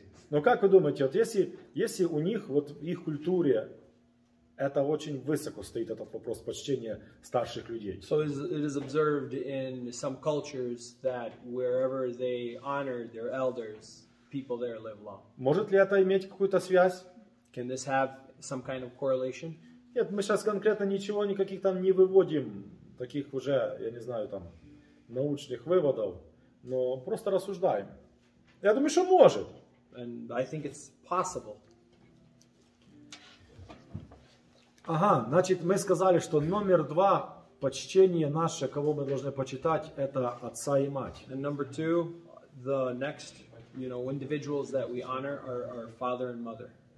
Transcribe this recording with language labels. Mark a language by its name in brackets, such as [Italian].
[Russian] Но как вы думаете, вот если у них, вот в их культуре, это очень высоко стоит этот вопрос почтения старших людей? [English] So it is observed in some cultures that wherever they honor their elders, people there live long. [Russian] Может ли это иметь какую-то связь? [English] Can this have some kind of correlation? [Russian] Нет, мы сейчас конкретно ничего никаких там не выводим, таких уже, я не знаю, там, научных выводов, но просто рассуждаем. Я думаю, что может. [English] And I think it's possible. [Russian] Ага, значит, мы сказали, что номер два почтение наше, кого мы должны почитать, это отца и мать. [English] And number two, the next, you know, individuals that we honor are our father and mother.